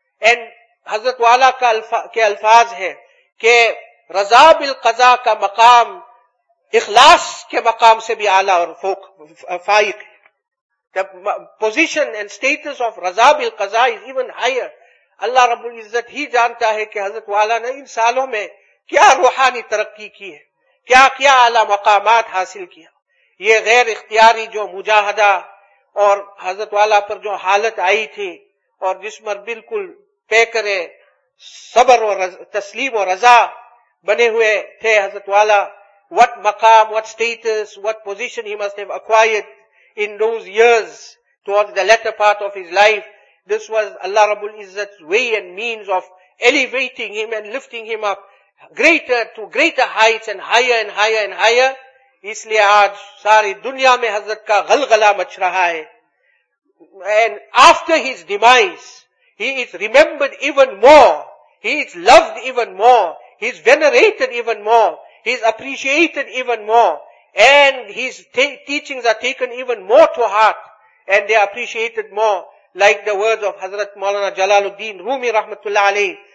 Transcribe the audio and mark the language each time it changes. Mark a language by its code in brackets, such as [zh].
[ur] And حضرت والا کے الفاظ ہے کہ رضا بالقضاء کا مقام اخلاص کے مقام سے بھی اعلیٰ اور فائق ہے. [en] The position and status of رضا بالقضاء is even higher. [ur] اللہ رب العزت ہی جانتا ہے کہ حضرت والا نے ان سالوں میں کیا روحانی ترقی کی ہے, کیا کیا اعلیٰ مقامات حاصل کیا. یہ غیر اختیاری جو مجاہدہ اور حضرت والا پر جو حالت آئی تھی اور جس مر بالکل پیکرے صبر و تسلیم و رضا بنے ہوئے تھے حضرت والا, what مقام, [en] what status, what position he must have acquired in those years towards the latter part of his life. This was Allah Rabbul Izzat's way and means of elevating him and lifting him up greater to greater heights and higher and higher and higher. [ur] اس لئے آج ساری دنیا میں حضرت کا غلغلہ مچ رہا ہے. [en] And after his demise, he is remembered even more. He is loved even more. He is venerated even more. He is appreciated even more. And his teachings are taken even more to heart. And they are appreciated more. Like the words of Hazrat Maulana Jalaluddin Rumi Rahmatullah Alayhi.